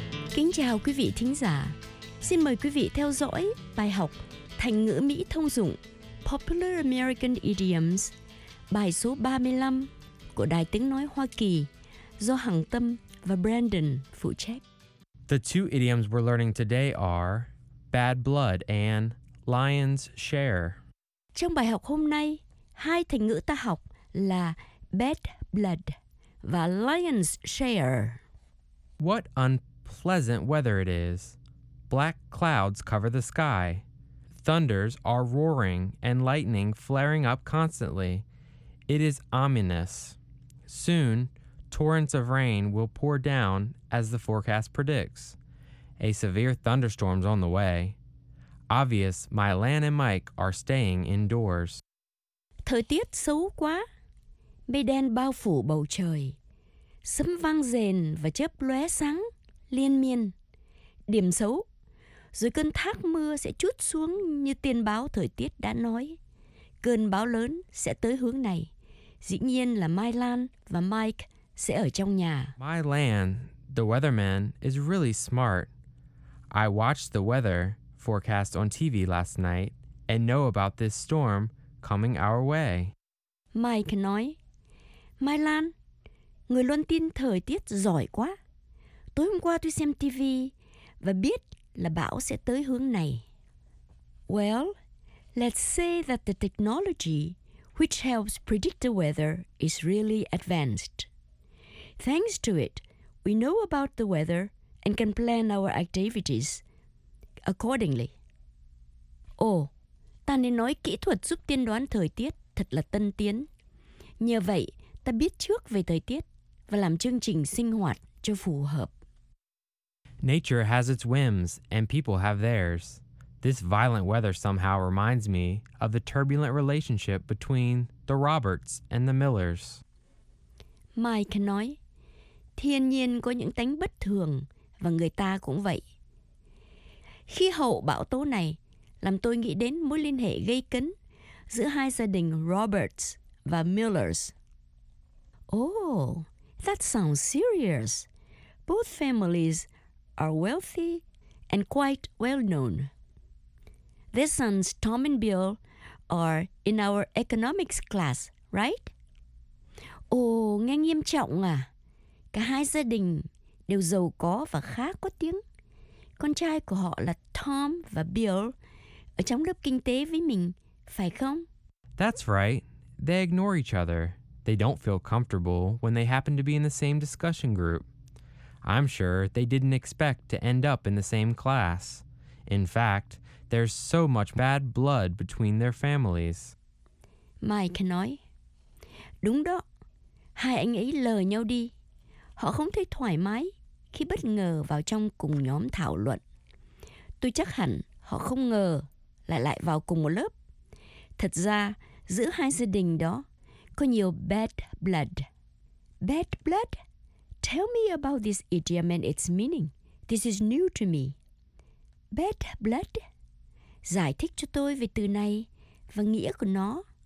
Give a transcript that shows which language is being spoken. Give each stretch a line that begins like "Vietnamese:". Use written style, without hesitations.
Vietnamese: Kính chào quý vị thính giả. Xin mời quý vị theo dõi bài học thành ngữ Mỹ thông dụng Popular American Idioms, bài số 35 của Đài Tiếng Nói Hoa Kỳ do Hằng Tâm và Brandon phụ trách.
English: The two idioms we're learning today are bad blood and lion's share.
Vietnamese: Trong bài học hôm nay, hai thành ngữ ta học là bad blood và lion's share.
English: What unpleasant weather it is. Black clouds cover the sky. Thunders are roaring and lightning flaring up constantly. It is ominous. Soon, torrents of rain will pour down as the forecast predicts. A severe thunderstorm's on the way. Obvious, my Lan and Mike are staying indoors.
Vietnamese: Thời tiết xấu quá. Mây đen bao phủ bầu trời. Sấm vang rền và chớp lóe sáng liên miên. Điểm xấu. Rồi cơn thác mưa sẽ trút xuống như tiên báo thời tiết đã nói. Cơn bão lớn sẽ tới hướng này. Dĩ nhiên là My Lan và Mike sẽ ở trong nhà.
English: My Lan, the weatherman, is really smart. I watched the weather forecast on TV last night and know about this storm coming our way.
Vietnamese: Mike nói, My Lan, người luôn tin thời tiết giỏi quá. Tối hôm qua tôi xem TV và biết là bão sẽ tới hướng này.
English: Well, let's say that the technology which helps predict the weather is really advanced. Thanks to it, we know about the weather and can plan our activities accordingly.
Vietnamese: Oh, ta nên nói kỹ thuật giúp tiên đoán thời tiết thật là tân tiến. Nhờ vậy, ta biết trước về thời tiết và làm chương trình sinh hoạt cho phù hợp.
English: Nature has its whims, and people have theirs. This violent weather somehow reminds me of the turbulent relationship between the Roberts and the Millers.
Vietnamese: Mike nói, thiên nhiên có những tánh bất thường, và người ta cũng vậy. Khí hậu bão tố này làm tôi nghĩ đến mối liên hệ gây cấn giữa hai gia đình Roberts và Millers.
English: Oh, that sounds serious. Both families are wealthy and quite well known. Their sons, Tom and Bill, are in our economics class, right?
Vietnamese: Oh, nghe nghiêm trọng à. Cả hai gia đình đều giàu có và khá có tiếng. Con trai của họ là Tom và Bill ở trong lớp kinh tế với mình, phải không?
English: That's right. They ignore each other. They don't feel comfortable when they happen to be in the same discussion group. I'm sure they didn't expect to end up in the same class. In fact, there's so much bad blood between their families.
Vietnamese: Mike nói, đúng đó, hai anh ấy lờ nhau đi. Họ không thấy thoải mái khi bất ngờ vào trong cùng nhóm thảo luận. Tôi chắc hẳn họ không ngờ lại vào cùng một lớp. Thật ra, giữa hai gia đình đó có nhiều bad blood.
English: Bad blood? Tell me about this idiom and its meaning. This is new to me. Bad blood?
Vietnamese: Giải thích cho tôi về từ này và nghĩa của nó.